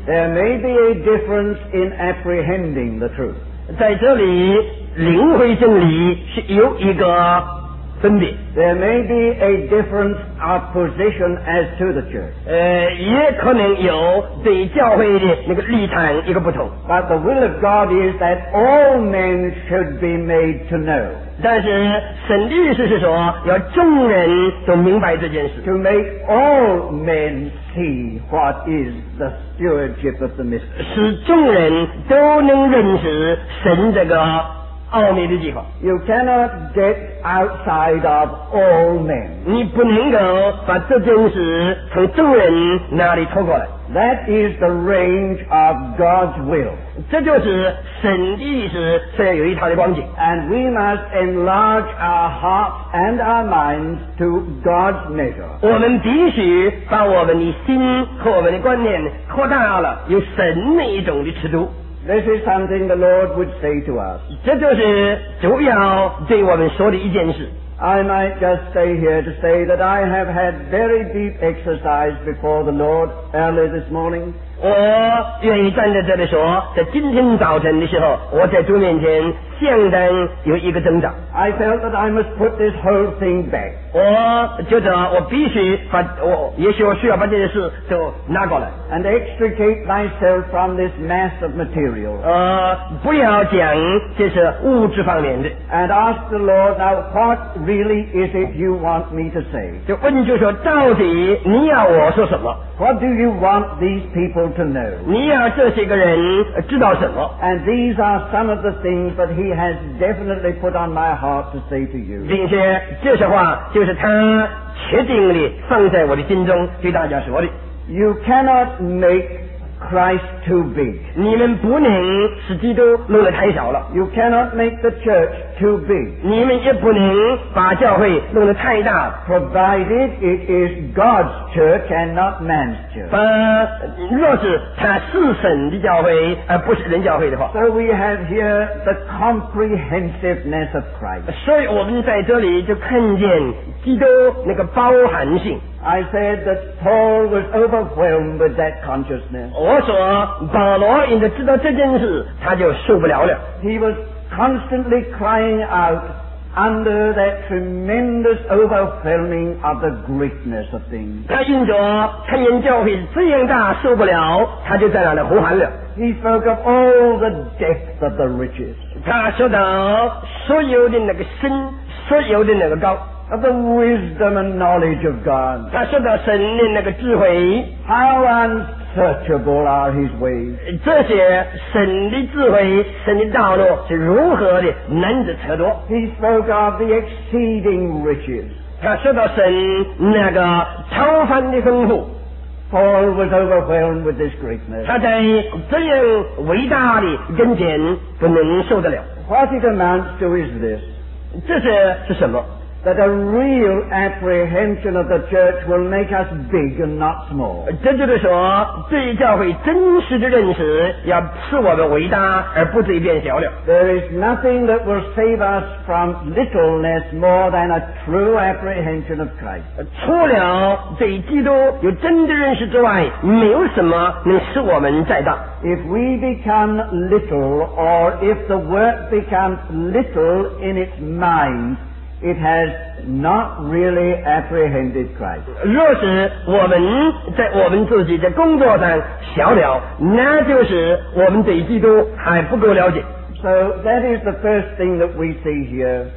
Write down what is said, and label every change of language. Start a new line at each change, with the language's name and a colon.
English: There may be a difference in apprehending the truth.
Chinese: 在这里灵会真理是有一个分别。
English: There may be a difference of position as to the church.
Chinese: 也可能有对教会的那个立场一个不同。
English: But the will of God is that all men should be made to know.
Chinese: 但是神的意思是说，要众人都明白这件事。
English: To make all men see what is the stewardship of the mystery.
Chinese: 使众人都能认识神这个奥秘的计划。
English: You cannot get outside of all men.
Chinese: 你不能够把这件事从众人那里脱过来。
English: That is the range of God's will.
Chinese: 这就是神的意思，是要有一套的光景。
English: And we must enlarge our hearts and our minds to God's measure.
Chinese: 我们必须把我们的心和我们的观念扩大了，有神那一种的尺度。
English: This is something the Lord would say to us.
Chinese: 这就是主要对我们说的一件事。
English: I might just stay here to say that I have had very deep exercise before the Lord early this morning.
Chinese: 我愿意站在这里说，在今天早晨的时候，我在主面前相当有一个挣扎。
English: I felt that I must put this whole thing back.
Chinese: 我觉得我必须把，我也许我需要把这件事都拿过来。
English: And extricate myself from this mass of material.
Chinese: 不要讲这是物质方面的。
English: And ask the Lord, now what really is it you want me to say?
Chinese: 就问就说，到底你要我说什么？
English: What do you want these people to know?
Chinese: 你要这些个人知道什么？
English: And these are some of the things that he has definitely put on my heart to say to you.
Chinese: 并且这些话就是他确定地放在我的心中对大家说的。
English: You cannot make Christ too big.
Chinese: 你们不能使基督弄得太小了。
English: You cannot make the church too big.
Chinese: 你们也不能把教会弄得太大。
English: Provided it is God's church and not man's church.
Chinese: 若是它是神的教会而不是人教会的话。
English: So we have here the comprehensiveness of Christ.
Chinese: 所以我们在这里就看见基督那个包含性。
English: I said that Paul was overwhelmed with that consciousness.
Chinese: 我说保罗因着知道这件事他就受不了了。
English: He was constantly crying out under that tremendous overwhelming of the greatness of things.
Chinese: 他因着看见教会这样大受不了，他就在那里呼喊了。
English: He spoke of all the depth of the riches.
Chinese: 他说到所有的那个深，所有的那个高。
English: Of the wisdom and knowledge of God.
Chinese: 他说到神的那个智慧。
English: How unsearchable are his ways.
Chinese: 这些神的智慧，神的道路是如何的难得测度。
English: He spoke of the exceeding riches.
Chinese: 他说到神那个超凡的丰富。
English: Paul was overwhelmed with this greatness.
Chinese: 他在这样伟大的跟前不能受得了。
English: What it amounts to is this.
Chinese: 这些是什么？
English: that a real apprehension of the church will make us big and not small.
Chinese: 这就是说，对教会真实的认识要使我们伟大，而不至于变小了。
English: There is nothing that will save us from littleness more than a true apprehension of Christ.
Chinese: 除了对基督有真的认识之外，没有什么能使我们再大。
English: If we become little, or if the work becomes little in its mind,It has not really apprehended Christ.
Chinese: 若是我们在我们自己的工作上小了，那就是我们对基督还不够了解。
English: So that is the first thing that we see here.